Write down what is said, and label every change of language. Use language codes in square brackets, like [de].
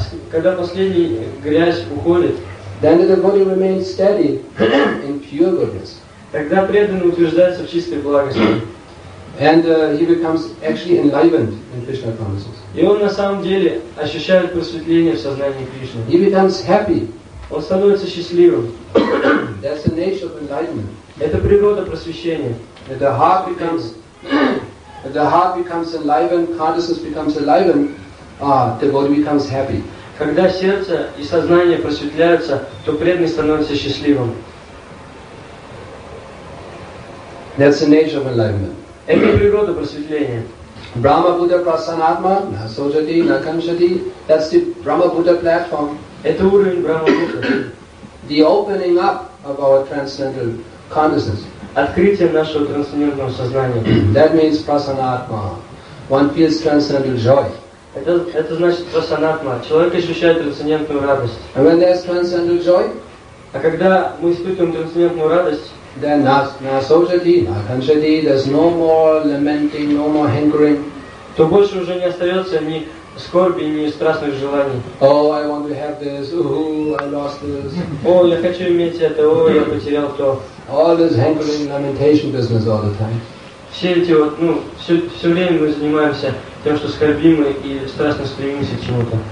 [ru] когда последняя грязь уходит, [en] then the body remains steady in pure goodness. [ru] Тогда преданный утверждается в чистой благости. [en] And he becomes actually enlivened in Krishna consciousness. [ru] И он на самом деле ощущает просветление в сознании Кришны. [en] He becomes happy. [ru] Он становится счастливым. [en] That's the nature of enlightenment. [ru] Это природа просвещения. [en] The heart becomes enlivened, consciousness becomes enlivened, the body becomes happy. [ru] Когда сердце и сознание просветляются, то преданный становится счастливым. [en] That's the nature of enlightenment. [ru] Это природа просветления. [sa] Brahma Buddha Prasanatma, na sojati, na kanchati, [en] that's the Brahma Buddha platform. [ru] Это уровень Брахмапута. [en] The opening up of our transcendental consciousness. [ru] Открытие нашего трансцендентного сознания. [en] That means prasanatma. One feels transcendental joy. [ru] Это значит prasanatma. Человек ощущает трансцендентную радость. [en] And when there's transcendental joy, [ru] а когда мы испытываем трансцендентную радость, [en] then [sa] na sojati, na kanchati, [en] there's no more lamenting, no more hankering. [ru] то больше уже не остается ни скорби, ни страстных желаний. [en] Oh, I want to have this. Oh, I lost this. [ru] О, я хочу иметь это. О, я потерял то. [en] All this hankering, lamentation business all the time. [ru] Все эти вот, ну, все время мы занимаемся тем, что скорбим и страстно стремимся к чему-то.